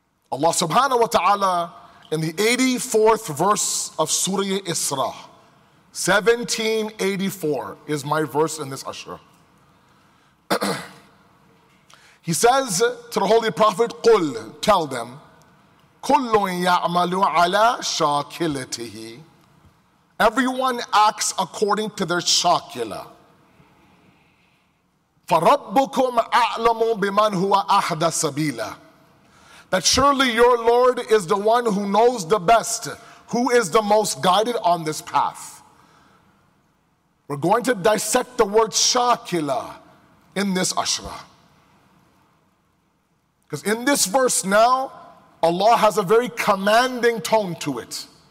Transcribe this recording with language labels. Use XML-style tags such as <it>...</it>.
<en>Allah subhanahu wa ta'ala, in the 84th verse of Surah Isra, 1784 is my verse in this ashra. He says to the Holy Prophet,</en> <ar>قُلْ,</ar> <en>tell them,</en> <ar>كُلٌ يَعْمَلُ عَلَى شَاكِلَتِهِ.</ar> <en>Everyone acts according to their shakila.</en> <ar>فَرَبُّكُمْ أَعْلَمُ بِمَنْ هُوَ أَحْدَ سَبِيلًا.</ar> <en>That surely your Lord is the one who knows the best, who is the most guided on this path. We're going to dissect the word shakila in this ashra. Because in this verse now, Allah has a very commanding tone to it.</en>